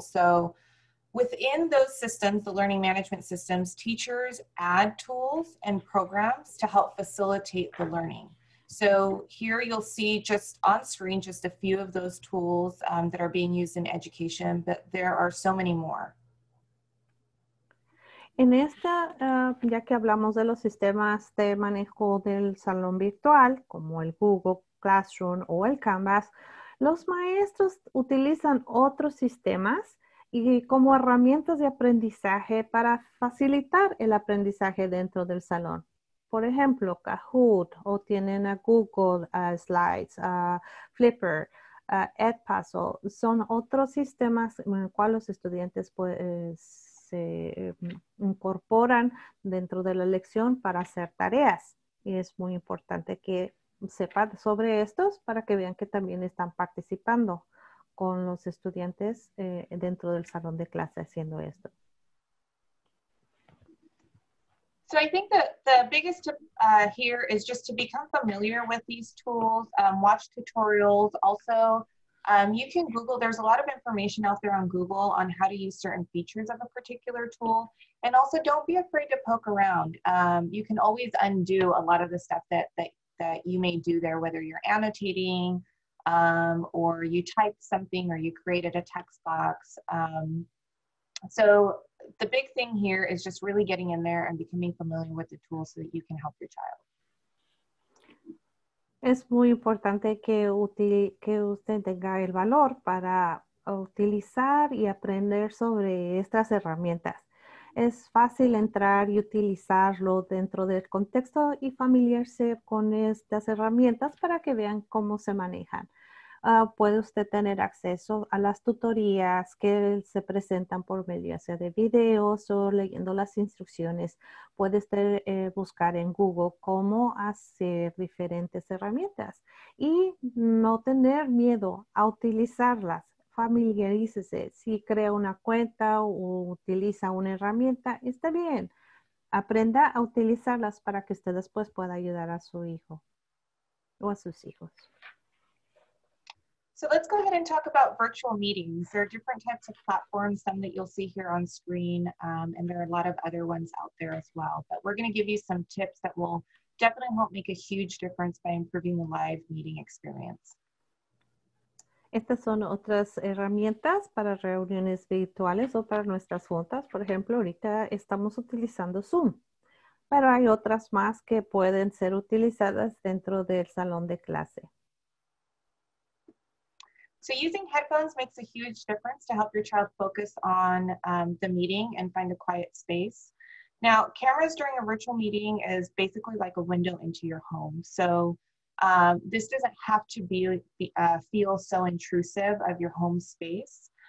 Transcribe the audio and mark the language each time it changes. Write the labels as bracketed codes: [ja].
[en] So within those systems, the learning management systems, teachers add tools and programs to help facilitate the learning. So here you'll see just on screen, just a few of those tools that are being used in education, but there are so many more. [es] En esta, ya que hablamos de los sistemas de manejo del salón virtual, como el Google Classroom o el Canvas, los maestros utilizan otros sistemas y como herramientas de aprendizaje para facilitar el aprendizaje dentro del salón. Por ejemplo, Kahoot, o tienen a Google Slides, Flipper, Edpuzzle. Son otros sistemas en los cuales los estudiantes se incorporan dentro de la lección para hacer tareas. Y es muy importante que sepan sobre estos para que vean que también están participando con los estudiantes dentro del salón de clase haciendo esto. [en] So I think that the biggest tip here is just to become familiar with these tools, watch tutorials. Also, you can Google, there's a lot of information out there on Google on how to use certain features of a particular tool. And also don't be afraid to poke around. You can always undo a lot of the stuff that you may do there, whether you're annotating or you type something or you created a text box. So the big thing here is just really getting in there and becoming familiar with the tool so that you can help your child. [es] Es muy importante que usted tenga el valor para utilizar y aprender sobre estas herramientas. Es fácil entrar y utilizarlo dentro del contexto y familiarizarse con estas herramientas para que vean cómo se manejan. Puede usted tener acceso a las tutorías que se presentan por medio sea de videos o leyendo las instrucciones. Puede usted buscar en Google cómo hacer diferentes herramientas y no tener miedo a utilizarlas. Familiarícese. Si crea una cuenta o utiliza una herramienta, está bien. Aprenda a utilizarlas para que usted después pueda ayudar a su hijo o a sus hijos. [en] So let's go ahead and talk about virtual meetings. There are different types of platforms, some that you'll see here on screen, and there are a lot of other ones out there as well. But we're going to give you some tips that will definitely help make a huge difference by improving the live meeting experience. [es] Estas son otras herramientas para reuniones virtuales o para nuestras juntas. Por ejemplo, ahorita estamos utilizando Zoom, pero hay otras más que pueden ser utilizadas dentro del salón de clase. [en] So using headphones makes a huge difference to help your child focus on the meeting and find a quiet space. Now, cameras during a virtual meeting is basically like a window into your home. So this doesn't have to feel so intrusive of your home space.